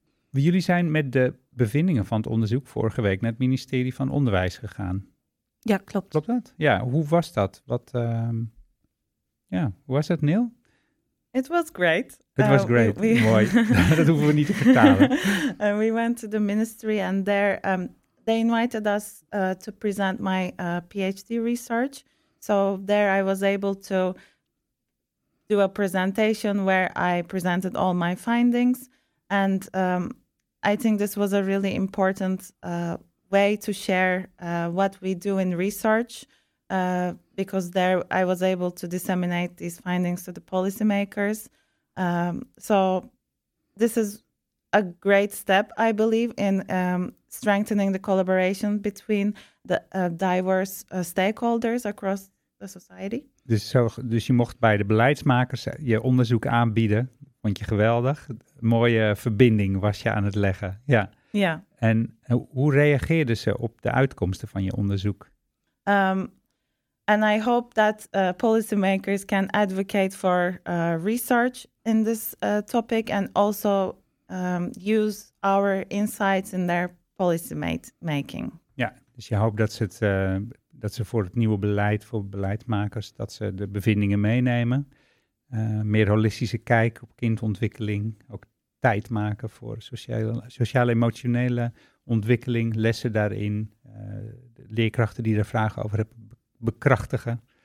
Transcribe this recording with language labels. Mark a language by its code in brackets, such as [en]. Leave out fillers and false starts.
[nl] Jullie zijn met de bevindingen van het onderzoek vorige week naar het ministerie van Onderwijs gegaan. Ja, klopt. Klopt dat? Ja, hoe was dat? Hoe was dat, Neil? [en] It was great. It was great. Mooi. [nl] Dat hoeven we niet te vertalen. [en] We went to the ministry and there they invited us to present my PhD research. So there I was able to do a presentation where I presented all my findings. And I think this was a really important way to share what we do in research, because there I was able to disseminate these findings to the policymakers. So this is a great step, I believe, in strengthening the collaboration between the diverse stakeholders across the society. [nl] Dus je mocht bij de beleidsmakers je onderzoek aanbieden. Vond je geweldig. Mooie verbinding was je aan het leggen. Ja. Ja. En hoe reageerden ze op de uitkomsten van je onderzoek? [en] And I hope that policymakers can advocate for research in this topic and also use our insights in their policy making. [nl] Ja, dus je hoopt dat ze het dat ze voor het nieuwe beleid, voor beleidmakers, dat ze de bevindingen meenemen. Meer holistische kijk op kindontwikkeling, ook tijd maken voor sociaal-emotionele ontwikkeling, lessen daarin, leerkrachten die er vragen over hebben, bekrachtigen.